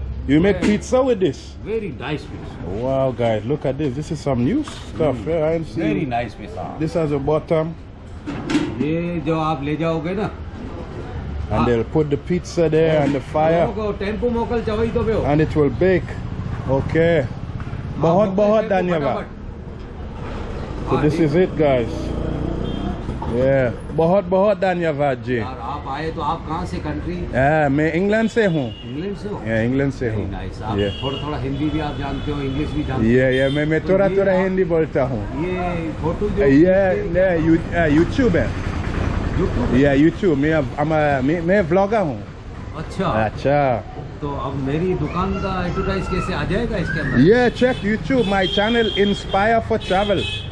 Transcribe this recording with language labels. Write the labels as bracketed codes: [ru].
[en] You make pizza with this? Very nice pizza. Wow, guys, look at this. This is some new stuff. Mm. Yeah, I ain't seen. Very nice pizza. This has a bottom. [hi] ये जो आप ले जाओगे ना [en] and they'll put the pizza there on the fire टेम्पो मोकल चावई तो भेओ and it will bake. [hi] Okay, बहुत बहुत धन्यवाद. [en] So this is it, guys. [hi] Yeah, बहुत बहुत धन्यवाद जी. यार आप आए तो आप कहाँ से country? हाँ, मैं इंग्लैंड से हूँ. इंग्लैंड से हूँ. Yeah, इंग्लैंड से हूँ. [en] Very nice. [hi] आप थोड़ा थोड़ा हिंदी भी आप जानते हो, इंग्लिश भी जानते हो. Yeah, मैं थोड़ा थोड़ा हिंदी बोलता हूँ. ये photo जो [en] yeah YouTube है. YouTube. Yeah, YouTube. [hi] मैं vlogger हूँ. अच्छा. तो अब मेरी दुकान का advertise कैसे आ जाएगा इसके अंदर? [en] Yeah, check YouTube. My channel Inspire for Travel.